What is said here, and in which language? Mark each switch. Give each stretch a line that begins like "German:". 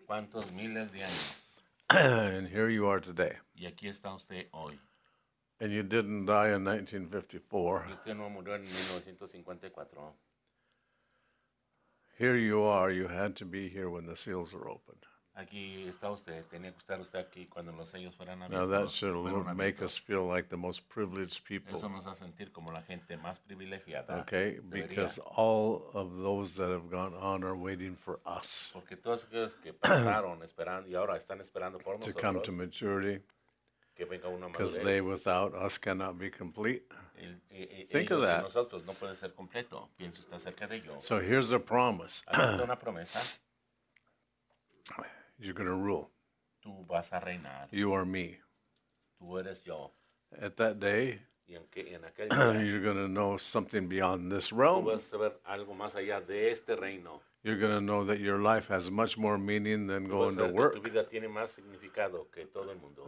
Spanish: ¿Cuántos miles de años?
English: And here you are today.
Spanish: Y aquí está usted hoy.
English: And you didn't die in 1954.
Spanish: Y usted no murió en 1954.
English: Here you are. You had to be here when the seals were opened.
Spanish: Aquí está usted. Tenía que estar usted aquí cuando los sellos fueran abiertos.
English: Now that should make us feel like the most privileged people.
Spanish: Eso nos hace sentir como la gente más privilegiada.
English: Okay, because all of those that have gone on are waiting for us.
Spanish: Porque todos aquellos que pasaron esperando y ahora están esperando por nosotros.
English: To come to maturity.
Spanish: Que venga una madurez.
English: Because they without us cannot be complete. Think of that.
Spanish: Ellos sin nosotros no pueden ser completo. Piense usted acerca de ello.
English: So here's a promise.
Spanish: Aquí está una promesa.
English: You're going to rule.
Spanish: Tú vas a reinar.
English: You are me.
Spanish: Tú eres yo.
English: At that day, you're going to know something beyond this realm.
Spanish: Tú vas a ver algo más allá de este reino.
English: You're going to know that your life has much more meaning than going to work.
Spanish: Tu vida tiene más significado que todo el mundo.